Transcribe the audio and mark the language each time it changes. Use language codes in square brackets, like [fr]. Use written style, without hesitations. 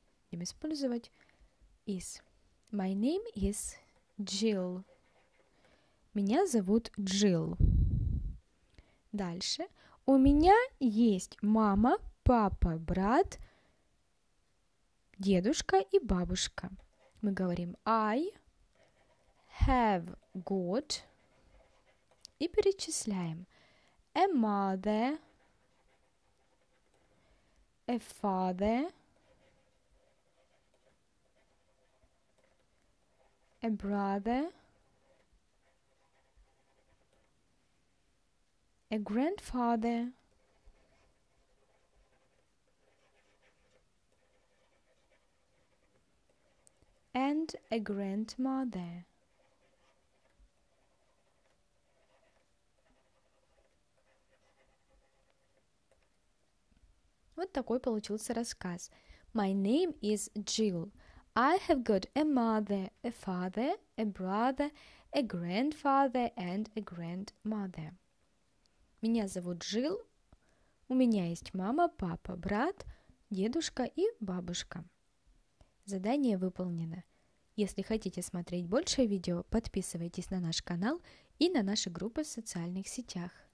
[ru] Будем использовать is. [en] My name is Jill. [ru] Меня зовут Джилл. Дальше. У меня есть мама, папа, брат, дедушка и бабушка. Мы говорим [en] I have got. [ru] И перечисляем. [en] A mother, a father, a brother, a grandfather, and a grandmother. [ru] Вот такой получился рассказ. [en] My name is Jill. I have got a mother, a father, a brother, a grandfather and a grandmother. [ru] Меня зовут Джилл. У меня есть мама, папа, брат, дедушка и бабушка. Задание выполнено. Если хотите смотреть больше видео, подписывайтесь на наш канал и на наши группы в социальных сетях.